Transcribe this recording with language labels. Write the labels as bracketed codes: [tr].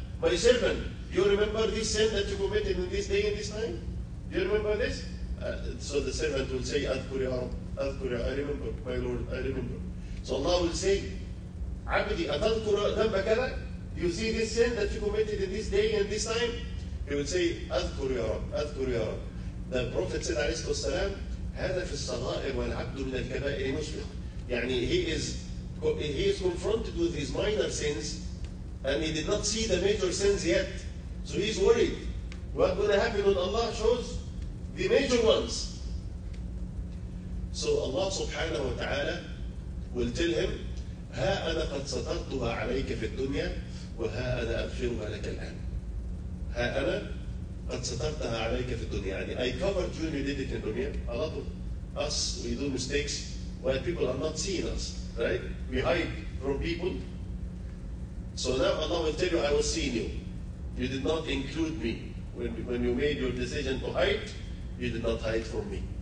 [en] My servant, do you remember this sin that you committed in this day and this time? Do you remember this? So the servant will say, [ar] أَذْكُرْ يَا رَبْ, أَذْكُرْ يَا, [en] I remember, my Lord, I remember. So Allah will say, [ar] عَبْدِي أَتَذْكُرُ ذَنْبَكَلَى. [en] Do you see this sin that you committed in this day and this time? He will say, [ar] أَذْكُرْ يَا رَبْ, أَذْكُرْ يَا رَبْ. [en] The Prophet said, [ar] عليه الصلاة والسلام, هذا في الصغائر والعبد من الكبائر مشفق. [en] يعني he is confronted with his minor sins, and he did not see the major sins yet. So he is worried. What will happen when Allah shows the major ones? So Allah subhanahu wa ta'ala will tell him, [ar] ها أنا قد سترتها عليك في الدنيا وها أنا أغفرها لك الآن. ها أنا قد سترتها عليك في الدنيا. [en] يعني I covered you when you did it in dunya. A lot of us, we do mistakes while people are not seeing us, right? We hide from people. So now Allah will tell you, I was seeing you. You did not include me. When you made your decision to hide, you did not hide from me.